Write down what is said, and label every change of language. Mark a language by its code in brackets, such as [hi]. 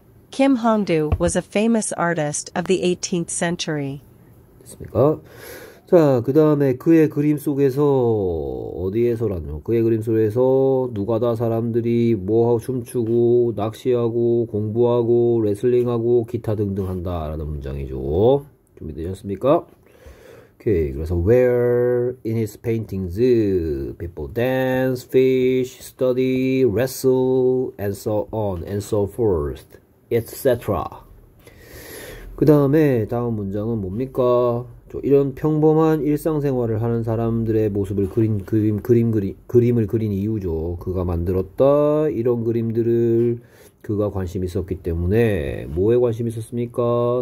[en] Kim Hongdo was a famous artist of the 18th century. [ko] 됐습니까? 자, 그 다음에 그의 그림 속에서 어디에서라뇨? 그의 그림 속에서 누가다 사람들이 뭐하고 춤추고 낚시하고 공부하고 레슬링하고 기타 등등 한다라는 문장이죠. 준비되셨습니까? [en] 오케이, 그래서 where in his paintings people dance, fish, study, wrestle, and so on and so forth, etc. [ko] 그 다음에 다음 문장은 뭡니까? 이런 평범한 일상생활을 하는 사람들의 모습을 그림을 그린 이유죠. 그가 만들었다. 이런 그림들을 그가 관심 있었기 때문에 뭐에 관심 있었습니까?